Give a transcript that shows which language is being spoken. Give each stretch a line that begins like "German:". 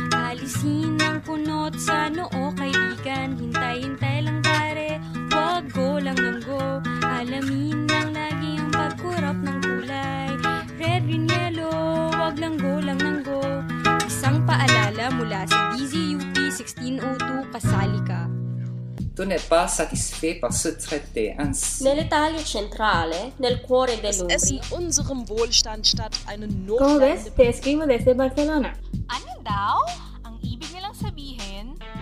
Filipino: Alisin ang kunot sa noo kaibigan. Hintay-hintay lang pare, wag go lang ng go. Alamin lang lagi ang pagkurap ng kulay. Red, green, yellow, wag lang go lang ng go. Isang paalala mula sa DZUP 1602, kasali ka.
French: Tu n'es pas satisfait par ce traité, ainsi.
Italian: Nell'Italia centrale, nel cuore dell'Umbria.
German: Es ist in unserem Wohlstand statt eine Notlage.
Spanish: Como ves, te escribo desde Barcelona.
Filipino: Ano daw? Ang ibig nilang sabihin...